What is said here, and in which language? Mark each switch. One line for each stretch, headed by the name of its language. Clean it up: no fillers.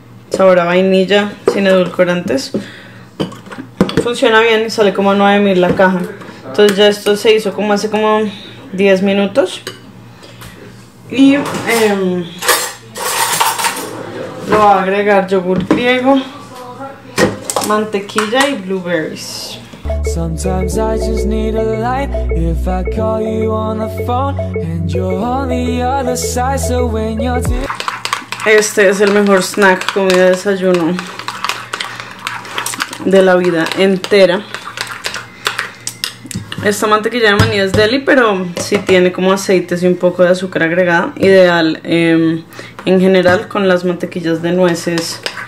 Spanish: Sabor a vainilla sin edulcorantes. Funciona bien y sale como 9000 la caja. Entonces ya esto se hizo como hace como 10 minutos y lo voy a agregar yogur griego, mantequilla y blueberries.
English: Sometimes I just need a light. If I call you on the phone and you're on the other side, so when you're...
Spanish: Este es el mejor snack, comida de desayuno de la vida entera. Esta mantequilla de maní es deli, pero sí tiene como aceites y un poco de azúcar agregada. Ideal en general con las mantequillas de nueces.